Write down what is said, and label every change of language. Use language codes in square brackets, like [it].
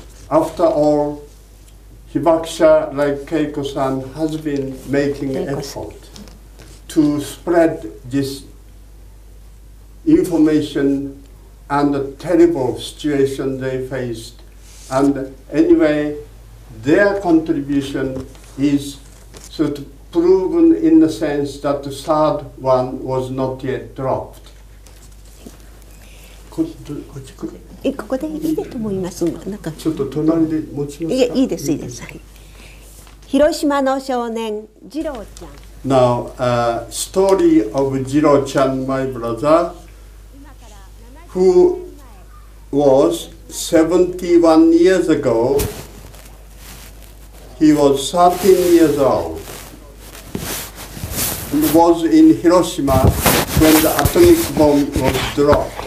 [en] After all, Hibakusha like Keiko-san has been making effort to spread this information and the terrible situation they faced. And anyway, their contribution is sort of proven in the sense that the third one was not yet dropped. [ja] ここでいいでと思います。なんかちょっと隣で持ちますか。いいです、いいです。広島の少年ジローちゃん。 [en] Now, story of Jiro-chan, my brother, who was 71 years ago, he was 13 years old, and was in Hiroshima when the atomic bomb was dropped.